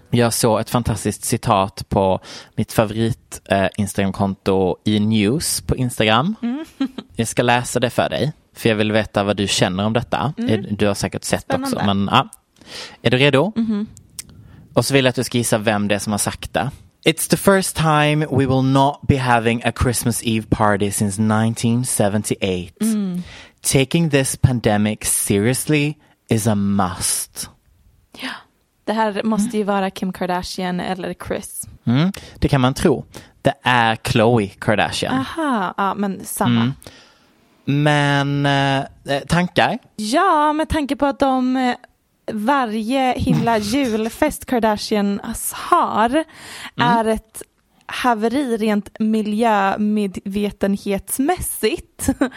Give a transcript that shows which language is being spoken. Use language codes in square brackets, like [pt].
[sv] Jag såg ett fantastiskt citat på mitt favorit Instagramkonto iNews på Instagram. Mm. Jag ska läsa det för dig, för jag vill veta vad du känner om detta. Mm. Du har säkert sett spännande också, men ja. Är du redo? Mm. Och så vill jag att du ska gissa vem det är som har sagt det. [en] It's the first time we will not be having a Christmas Eve party since 1978. Mm. Taking this pandemic seriously is a must. [sv] Ja, det här måste ju vara Kim Kardashian eller Chris. Mm, det kan man tro. Det är Khloe Kardashian. Aha, ja, men samma. Mm. Men tankar? Ja, med tanke på att de varje himla julfest Kardashian har är ett haveri rent miljömedvetenhetsmässigt.